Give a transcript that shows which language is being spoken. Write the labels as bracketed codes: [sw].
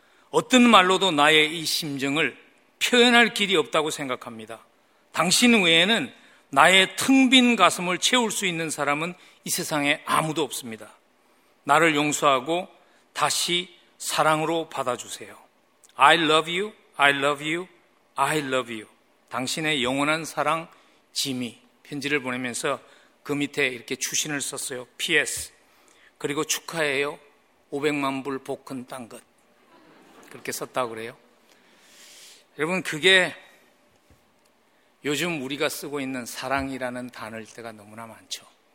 [ko] 어떤 말로도 나의 이 심정을 표현할 길이 없다고 생각합니다. 당신 외에는 나의 텅 빈 가슴을 채울 수 있는 사람은 이 세상에 아무도 없습니다. 나를 용서하고 다시 사랑으로 받아주세요. [en] I love you, I love you, I love you. [ko] 당신의 영원한 사랑, 지미. 편지를 보내면서 그 밑에 이렇게 추신을 썼어요. PS. 그리고 축하해요. 500만 불 복근 딴 것. 그렇게 썼다고 그래요. 여러분, 그게 요즘 우리가 쓰고 있는 사랑이라는 단어일 때가 너무나 많죠.